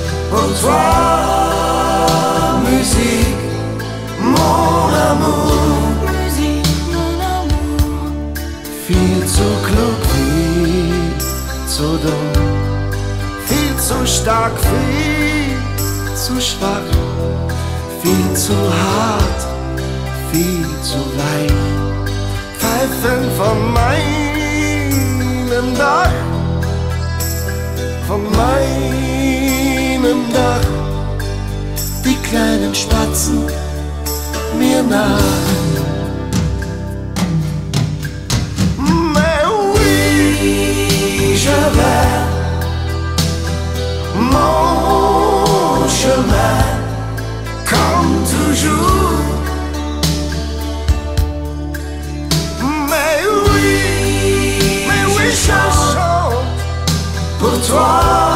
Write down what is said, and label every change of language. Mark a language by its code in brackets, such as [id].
[fr] Pour toi, musique, mon amour. Musique, mon amour. [de] Viel zu klug, viel zu dumm. Viel zu stark, viel zu schwach. Viel zu hart, viel zu weich. Pfeifen von meinem Dach. Von meinem Dach die kleinen Spatzen mir nach. [fr] Mais oui, je vais mon chemin comme toujours. Mais oui, je chante pour toi.